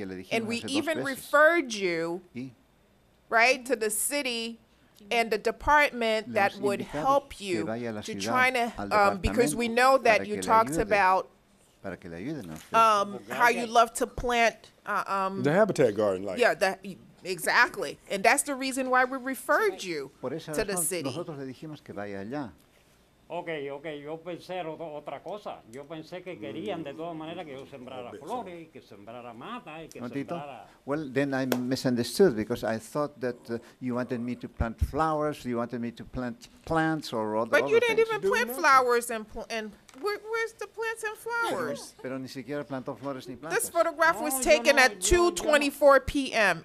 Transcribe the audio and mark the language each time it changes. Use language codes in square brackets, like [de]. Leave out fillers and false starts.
[en] And we even referred you, right, to the city and the department that would help you to try to, because we know that you talked about how you love to plant the habitat garden, like yeah, that exactly, and that's the reason why we referred you to the city. [es] Nosotros le dijimos que vaya allá. Okay, yo pensé otra cosa. Yo pensé que querían de todas maneras que yo sembrara flores, que sembrara mata, y que sembrara. [en] Well, then I misunderstood because I thought that you wanted me to plant flowers. You wanted me to plant plants or other things. But you didn't things. Even plant flowers and where's the plants and flowers? [es] Pero ni siquiera plantó flores ni plantas. [en] This photograph was taken at 2:24 p.m.